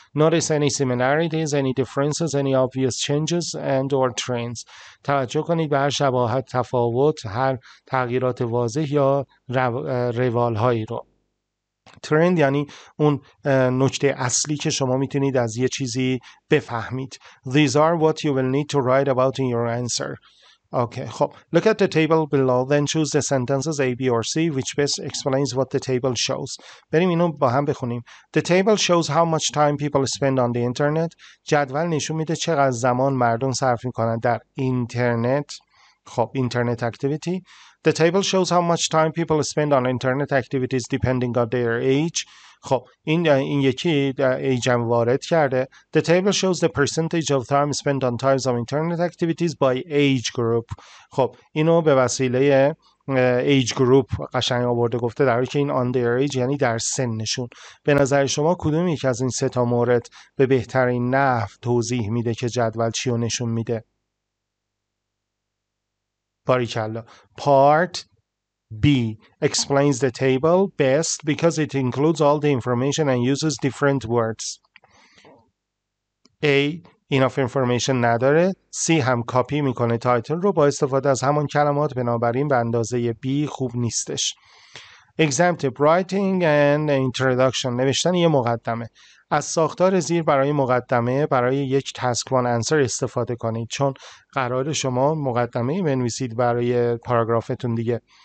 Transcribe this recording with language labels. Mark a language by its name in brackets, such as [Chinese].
[English] Notice any similarities, any differences, any obvious changes and or trends. [Persian] توجه کنید به هر شباهت، تفاوت، هر تغییرات واضح یا روال هایی رو. ترند یعنی اون نکته اصلی که شما میتونید از یه چیزی بفهمید. [English] These are what you will need to write about in your answer. Okay, خب. Look at the table below, then choose the sentences A, B or C, which best explains what the table shows. [Persian] بریم اینو با هم بخونیم. [English] The table shows how much time people spend on the internet. [Persian] جدول نشون میده چقدر زمان مردم صرف میکنن در اینترنت. [English] خب, internet activity. The table shows how much time people spend on internet activities depending on their age. [Persian] خب این یکی ایجم وارد کرده. [English] The table shows the percentage of time spent on types of internet activities by age group. [Persian] خب اینو به وسیله age group قشنگ آورده، گفته در حالی که این [English] on their age [Persian] یعنی در سنشون. به نظر شما کدوم یکی از این سه تا مورد به بهترین نحو توضیح میده که جدول چی رو نشون میده؟ باریکلا. [English] Part B explains the table best because it includes all the information and uses different words. A enough information [Persian] نداره. C هم کپی میکنه تایتل رو با استفاده از همون کلمات، بنابراین به اندازه B خوب نیستش. [English] Exam tip, writing and introduction. [Persian] نوشتن یه مقدمه. از ساختار زیر برای مقدمه برای یک task one answer استفاده کنید، چون قرار شما مقدمه بنویسید برای پاراگرافتون دیگه.